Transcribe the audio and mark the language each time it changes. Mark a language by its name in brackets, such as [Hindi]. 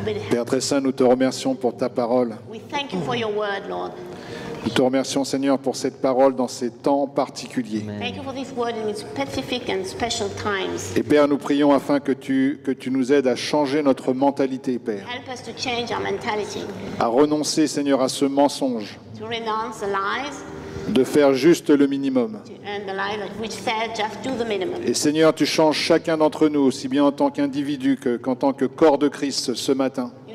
[French] Père très saint, nous te remercions pour ta parole. [English] We thank you for your word, Lord. [French] Nous te remercions, Seigneur, pour cette parole dans ces temps particuliers. Amen. [English] Thank you for this word in specific and special times. [French] Et Père, nous prions afin que tu nous aides à changer notre mentalité, Père. [English] Help us to change our mentality. [French] À renoncer, Seigneur, à ce mensonge. [English] To renounce the lies. [French] De faire juste le minimum. [English] And the lies which said just do the minimum. [French] Et Seigneur, tu changes chacun d'entre nous, aussi bien en tant qu'individu qu'en tant que corps de Christ ce matin.